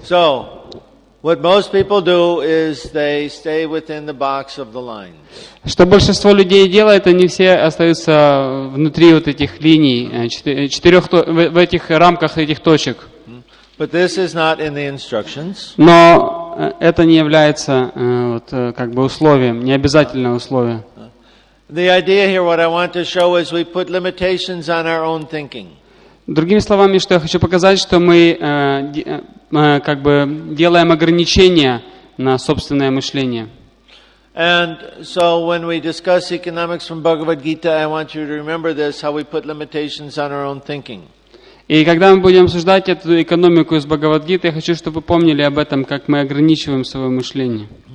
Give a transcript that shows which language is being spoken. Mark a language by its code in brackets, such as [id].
[en] So, what most people do is they stay within the box of the lines. [ru] Что большинство людей делает, они все остаются внутри вот этих линий, четырех в этих рамках этих точек. [en] But this is not in the instructions. [ru] Но это не является вот, как бы условием, не обязательное условие. [en] The idea here, what I want to show is we put limitations on our own thinking. [ru] Другими словами, что я хочу показать, что мы как бы делаем ограничения на собственное мышление. [en] And so when we discuss economics from Bhagavad Gita, I want you to remember this, how we put limitations on our own thinking. [ru] И когда мы будем обсуждать эту экономику из Бхагавад-гиты, я хочу, чтобы вы помнили об этом, как мы ограничиваем свое мышление.